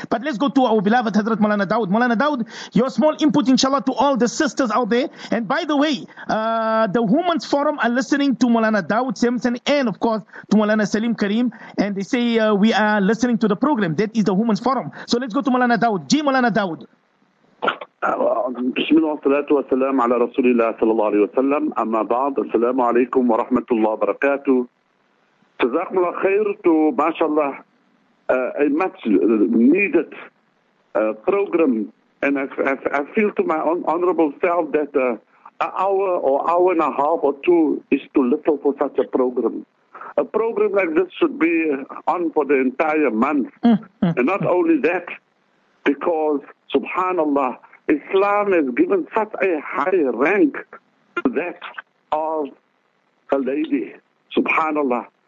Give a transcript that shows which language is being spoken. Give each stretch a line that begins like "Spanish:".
English: But let's go to our beloved Hazrat Maulana Dawood. Maulana Dawood, your small input, inshallah, to all the sisters out there. And by the way, the Women's Forum are listening to Maulana Dawood Samson and, of course, to Maulana Salim Karim, and they say we are listening to the program. That is the Women's Forum. So let's go to Maulana Dawood. G. Maulana Dawood.
Arabic: بسم الله والصلاة والسلام على رسول الله صلى الله عليه وسلم. أما بعد, السلام عليكم ورحمة الله وبركاته. جزاكم الله خير.
English: To mashallah, a much needed program, and I feel to my honorable self that an hour or hour and a half or two is too little for such a program. A program like this should be on for the entire month, and not only that, because subhanallah, Islam has given such a high rank to that of a lady. Subhanallah.